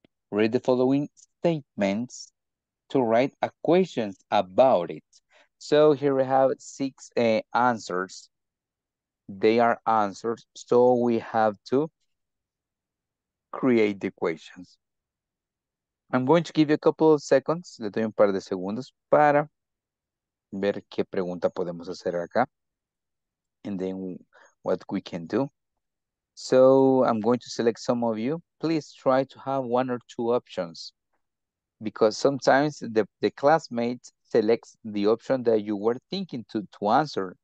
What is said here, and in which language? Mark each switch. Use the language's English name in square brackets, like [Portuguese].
[English] Read the following statements to write a question about it. So here we have six answers. They are answers. So we have to create the equations. I'm going to give you a couple of seconds. [Spanish] Le doy un par de segundos para ver qué pregunta podemos hacer acá. [English] And then what we can do. So I'm going to select some of you. Please try to have one or two options. Because sometimes the classmates select the option that you were thinking to answer.